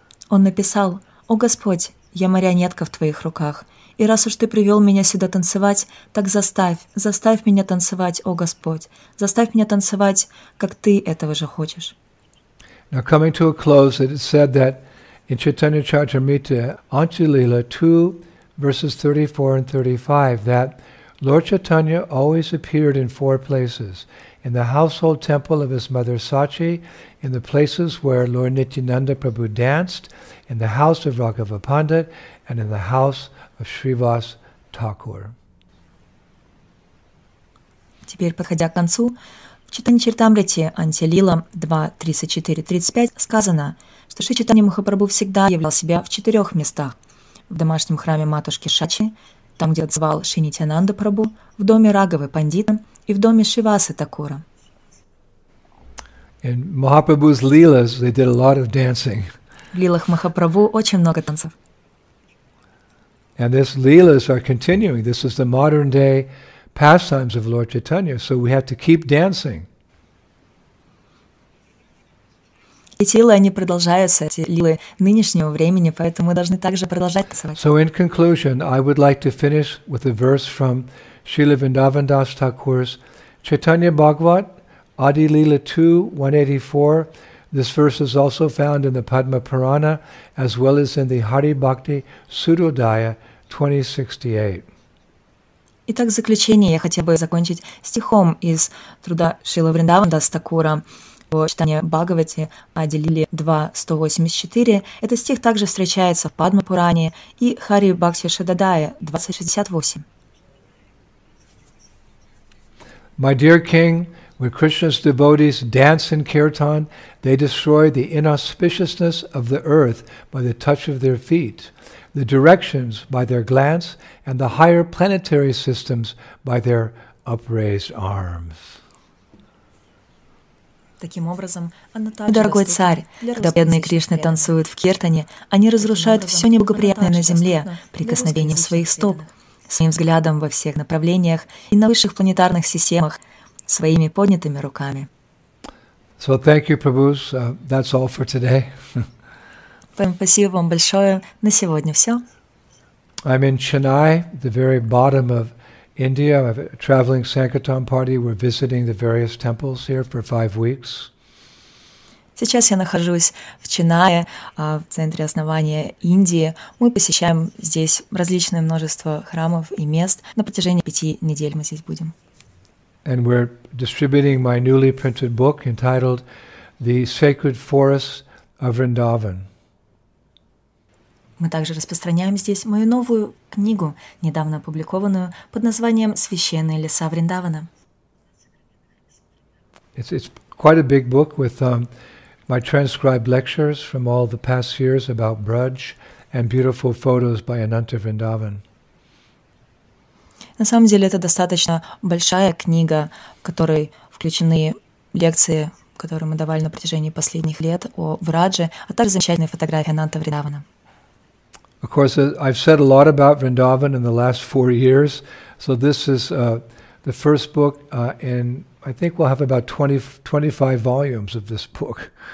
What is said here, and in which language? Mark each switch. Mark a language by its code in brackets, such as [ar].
[ru] Он написал: «О Господь, я марионетка в твоих руках. И раз уж ты привел меня сюда танцевать, так заставь меня танцевать, о Господь. Заставь меня танцевать, как ты этого же хочешь». [en] Now coming to a close, it is said that in Chaitanya Charitamrita, Anchalila 2, verses 34 and 35, that Lord Chaitanya always appeared in four places: in the household temple of his mother Sachi, in the places where Lord Nityananda Prabhu danced, in the house of Raghava Pandit, and in the house of Srivas Thakur. [ru] Теперь, подходя к концу, Читание Чаритамрити, Анти-лила 2.34.35, сказано, что Шри Чайтанья Махапрабху всегда являл себя в четырех местах: в домашнем храме матушки Шачи, там, где отзывал Шри Нитьянанда Прабху, в доме Раговы Пандита и в доме Шивасы Такура. [en] In Mahaprabhu's lilas, they did a lot of dancing. [ru] В лилах Махапрабху очень много танцев. [en] And these lilas are continuing. This is the modern day pastimes of Lord Chaitanya, so we have to keep dancing. [ru] Эти лилы, они продолжаются, эти лилы нынешнего времени, поэтому мы должны также продолжать танцевать. [en] So in conclusion, I would like to finish with a verse from Srila Vrindavan Das Thakur's Chaitanya Bhagavat, Adi Lila 2.184. This verse is also found in the Padma Purana, as well as in the Hari Bhakti Sudodaya 2068. [ru] Итак, в заключение я хотел бы закончить стихом из труда Шрилы Вриндаван Дас Такура о читании Бхагавати Ади Лили 2.184. Этот стих также встречается в Падма Пуране и Хари Бхакти Шададая 2068. [en] My dear king, when Krishna's devotees dance in kirtan, they destroy the inauspiciousness of the earth by the touch of their feet, the directions by their glance, and the higher planetary systems by their upraised arms. [ru] Таким образом, дорогой царь, когда бедные Кришны танцуют в киртане, они разрушают все неблагоприятное на земле прикосновением своих стоп, своим взглядом во всех направлениях и на высших планетарных системах своими поднятыми руками. [en] So thank you, Prabhus. That's all for today. [ru] Спасибо вам большое. На сегодня все. [en] I'm in Chennai, the very bottom of India. I'm a traveling Sankirtan party. We're visiting the various temples here for 5 weeks. [ru] Сейчас я нахожусь в Ченнае, в центре основания Индии. Мы посещаем здесь различное множество храмов и мест. На протяжении 5 недель мы здесь будем. [en] And we're distributing my newly printed book entitled The Sacred Forests of Vrindavan. [ru] Мы также распространяем здесь мою новую книгу, недавно опубликованную, под названием «Священные леса Вриндавана». [en] It's quite a big book with my transcribed lectures from all the past years about Braj and beautiful photos by Ananta Vrindavan. [ru] На самом деле, это достаточно большая книга, в которой включены лекции, которые мы давали на протяжении последних лет о Врадже, а также замечательные фотографии Ананта Вриндавана. [en] Of course, I've said a lot about Vrindavan in the last 4 years, so this is the first book, and I think we'll have about 25 volumes of this book.